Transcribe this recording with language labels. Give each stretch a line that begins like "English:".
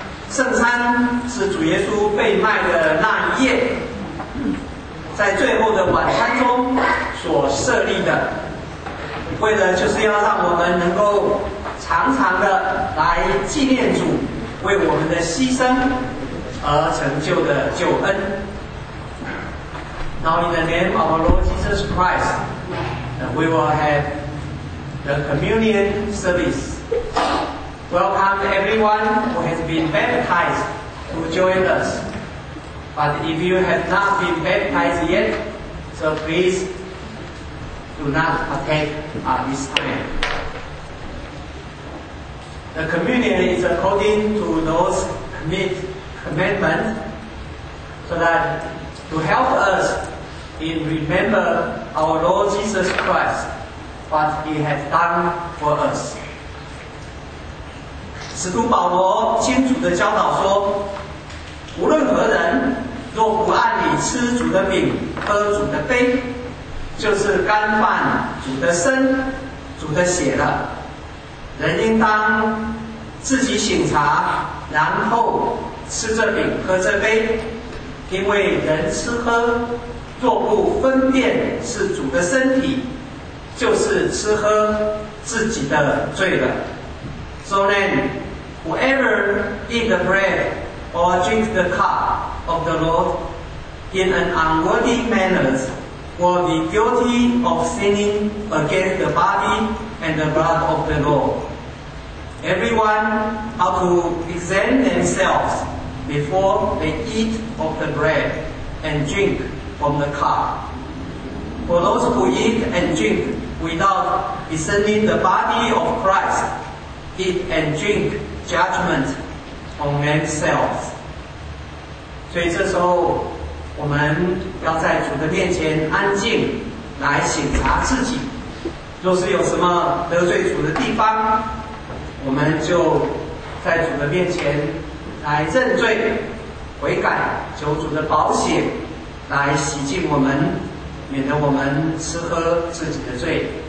Chinese: 圣餐是主耶稣被卖的那一夜，在最后的晚餐中所设立的，为了就是要让我们能够常常的来纪念主为我们的牺牲而成就的救恩。
English: Now in the name of our Lord Jesus Christ, we will have the communion service. Welcome everyone who has been baptized to join us. But if you have not been baptized yet, so please do not partake this time. The communion is according to those commandments so that to help us in remember our Lord Jesus Christ, what He has done for us.
Chinese: 使徒保罗清楚地教导说，无论何人若不按理吃主的饼喝主的杯，就是干犯主的身主的血了。人应当自己醒茶，然后吃这饼喝这杯，因为人吃喝若不分辨是主的身体，就是吃喝自己的罪了。
English: So then whoever eat the bread or drink the cup of the Lord in an unworthy manner will be guilty of sinning against the body and the blood of the LordEveryone ought to examine themselves before they eat of the bread and drink from the cup. For those who eat and drink without discerning the body of Christ, eat and drink judgment on themselves.
Chinese: 所以这时候我们要在主的面前安静来省察自己，若是有什么得罪主的地方，我们就在主的面前来认罪悔改，求主的宝血来洗净我们，免得我们吃喝自己的罪。